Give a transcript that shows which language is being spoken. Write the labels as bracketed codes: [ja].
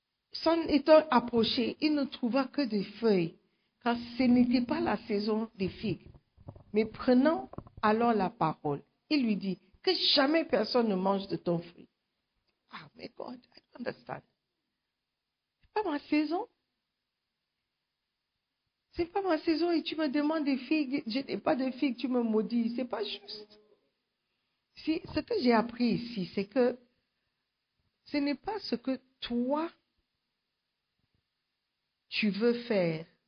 [fr] S'en étant approché, il ne trouva que des feuilles. Car ce n'était pas la saison des figues. Mais prenant alors la parole, il lui dit, que jamais personne ne mange de ton fruit. [en] Ah, mais God, I don't understand. [fr] C'est pas ma saison et tu me demandes des figues. Je n'ai pas de figues, tu me maudis. C'est pas juste. Si, ce que j'ai appris ici, c'est que ce n'est pas ce que toi, tu veux faire.